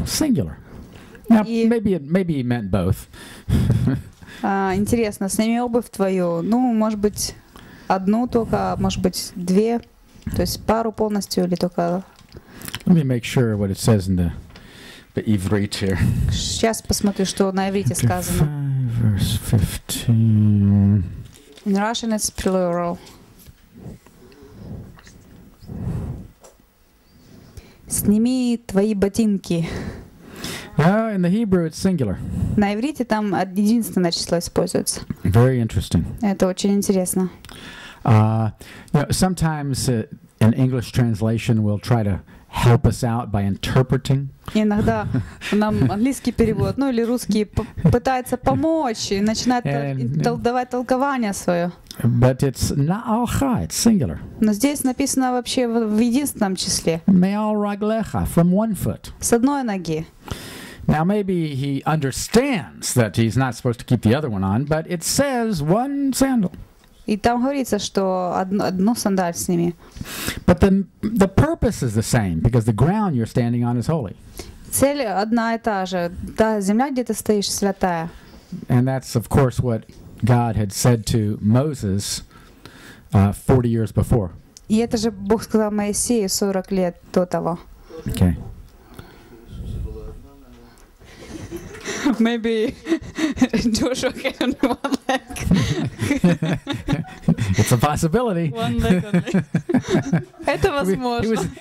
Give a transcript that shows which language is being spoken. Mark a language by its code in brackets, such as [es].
[en] Singular. Now, maybe he meant both. [ru] Интересно, сними обувь твою. Ну, может быть, одну только, может быть, две. То есть пару полностью или только... [en] Let me make sure what it says in the Ivrit here. [ru] Сейчас посмотрю, что на иврите сказано. [en] Verse 15. In Russian it's plural. [ru] Сними твои ботинки. [en] No, in the Hebrew it's singular. [ru] На иврите там единственное число используется. [en] Very interesting. [ru] Это очень интересно. [en] You know, sometimes an English translation will try to help us out by interpreting. [ru] Иногда нам английский перевод, ну или русский, пытается помочь и начинает давать толкование свое. [en] But it's na'alcha, it's singular. [ru] Но здесь написано вообще в единственном числе. [he] Me'al raglecha, [en] from one foot. [ru] С одной ноги. [en] Now maybe he understands that he's not supposed to keep the other one on, but it says one sandal. [ru] И там говорится, что одну сандаль сними. [en] But the purpose is the same, because the ground you're standing on is holy. [ru] Цель одна и та же. Та земля, где ты стоишь, святая. [en] And that's, of course, what God had said to Moses 40 years before. [ru] И это же Бог сказал Моисею 40 лет до того. [en] Okay. Maybe Joshua can one leg. It's a possibility. One leg only. [ru] Это возможно.